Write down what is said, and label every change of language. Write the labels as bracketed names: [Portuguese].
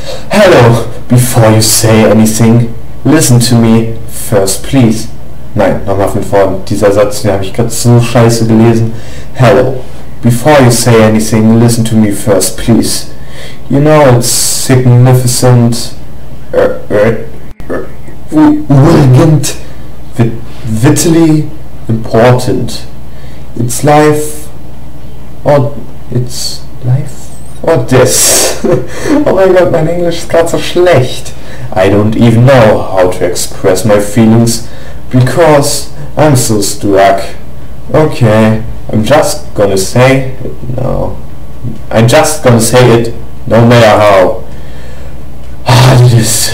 [English] Hello, before you say anything, listen to me first, please. [German] Nein, nochmal von vorne. Dieser Satz, den habe ich gerade so scheiße gelesen. [English] Hello, before you say anything, listen to me first, please. You know, it's significant... urgent... vitally important. It's life... or... it's life... or this. [German] Oh mein Gott, mein Englisch ist gerade so schlecht. [English] I don't even know how to express my feelings, because I'm so stuck. Okay, I'm just gonna say it now. I'm just gonna say it. No matter how. Ah, this.